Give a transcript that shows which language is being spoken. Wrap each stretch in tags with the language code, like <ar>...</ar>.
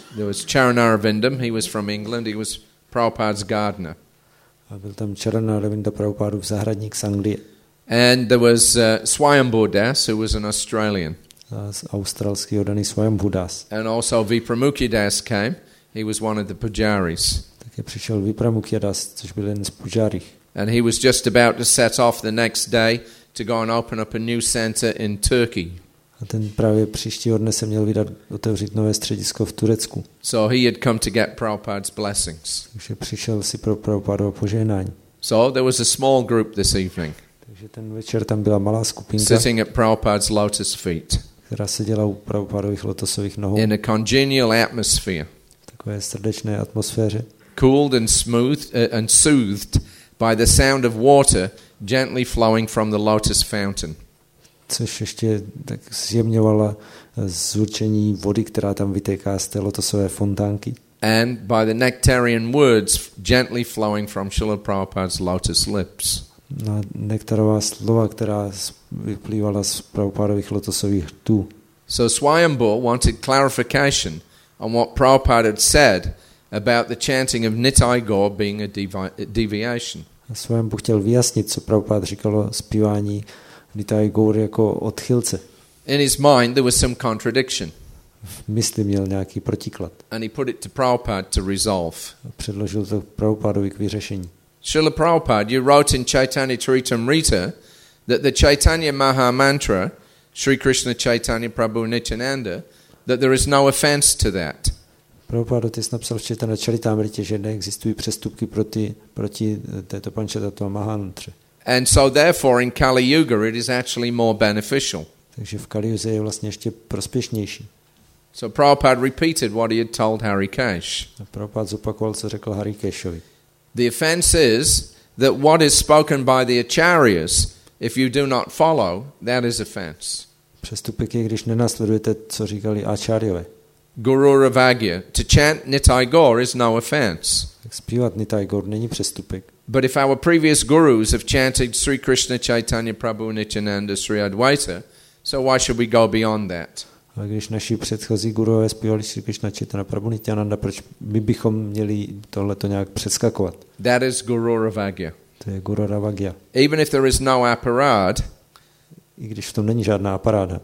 <en>There was Charanaravindam, he was from England, he was Prabhupada's gardener.</en> <cs>A byl tam Charanaravinda Prabhupádův zahradník z Anglie.</cs> <en>And there was Swayambhur Das, who was an Australian.</en> <cs>Australský oddaný Swayambhur Das.</cs> <en>And also Vipramukhi Das came, he was one of the Pujaris.</en> <cs>Také přišel Vipramukhi Das, což byl jeden z Pujarích.</cs> <en>And he was just about to set off the next day to go and open up a new center in Turkey.</en> <cs>A ten právě příští dne se měl vydat otevřít nové středisko v Turecku.</cs> <en>So he had come to get Prabhupada's blessings.</en> <cs>Takže přišel si pro Prabhupádovo požehnání.</cs> <en>So there was a small group this evening.</en> <cs>Takže ten večer tam byla malá skupinka.</cs> <en>Sitting at Prabhupada's lotus feet.</en> <cs>Která seděla u Prabhupádových lotosových nohou.</cs> <en>In a congenial atmosphere.</en> <cs>V takové srdečné atmosféře.</cs> <en>Cooled and smoothed and soothed by the sound of water gently flowing from the lotus fountain.</en> <cs>Což ještě tak zjemňovala zvučení vody, která tam vytéká z té lotosové fontánky.</cs> <en>And by the nectarian words gently flowing from Srila Prabhupada's lotus lips.</en> <cs>Na nektarová slova, která vyplývala z Prabhupádových lotosových rtů.</cs> <en>So Swayambhur wanted clarification on what Prabhupada had said about the chanting of Nitai Gaur being a deviation.</en> <cs>Swayambhur chtěl vyjasnit, co Prabhupada říkal o zpívání Nitai Gaur jako odchylce.</cs> <en>In his mind there was some contradiction.</en> <cs>V mysli měl nějaký protiklad.</cs> <en>And he put it to Prabhupada to resolve.</en> <cs>Předložil to Prabhupadovi k vyřešení.</cs> <en>Srila Prabhupada, you wrote in Chaitanya Charitamrita that the Chaitanya Maha Mantra, Sri Krishna Chaitanya Prabhu Nityananda, that there is no offense to that.</en> <cs>Prabhupada, ty jsi napsal v Chaitanya Charitamrita, že neexistují přestupky proti této Panchatattva Maha Mantra.</cs> <en>And so therefore in Kali Yuga it is actually more beneficial.</en> <cs>Takže v Kali Yuze je vlastně ještě prospěšnější.</cs> <en>So Prabhupada repeated what he had told Harikesh.</en> <cs>Prabhupada zopakoval, co řekl Harikeshovi.</cs> <en>The offense is that what is spoken by the acharyas, if you do not follow, that is offense.</en> <cs>Přestupek je, když nenasledujete, co říkali acharyové.</cs> <en>Guru Ravagya, to chant Nitai Gaur is no offense.</en> <cs>Zpívat Nitai Gaur není přestupek.</cs> <en>But if our previous gurus have chanted Sri Krishna Chaitanya Prabhu Nityananda Sri Advaita, so why should we go beyond that?</en> <cs>Ale když naši předchozí gurové zpívali Sri Krishna Chaitanya Prabhu Nityananda, proč my bychom měli tohle to nějak přeskakovat?</cs> <en>That is Guru Ravagya.</en> <cs>To je Guru Ravagya.</cs> <en>Even if there is no aparad,</en> <cs>i když v tom není žádná aparáda.</cs>